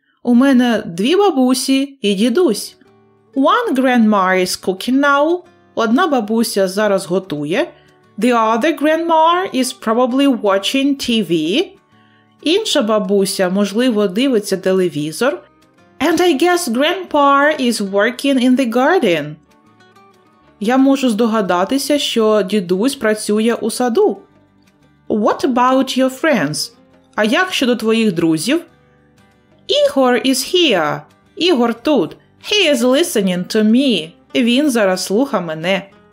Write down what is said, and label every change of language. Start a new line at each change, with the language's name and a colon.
Ukrainian: У мене дві бабусі і дідусь.
English: One grandma is cooking now.
Ukrainian: Одна бабуся зараз готує.
English: The other grandma is probably watching TV.
Ukrainian: Інша бабуся, можливо, дивиться телевізор.
English: And I guess grandpa is working in the garden.
Ukrainian: Я можу здогадатися, що дідусь працює у саду.
English: What about your friends?
Ukrainian: А як щодо твоїх друзів?
English: Ігор is here.
Ukrainian: Ігор тут.
English: He is listening to me.
Ukrainian: Він зараз слухає мене.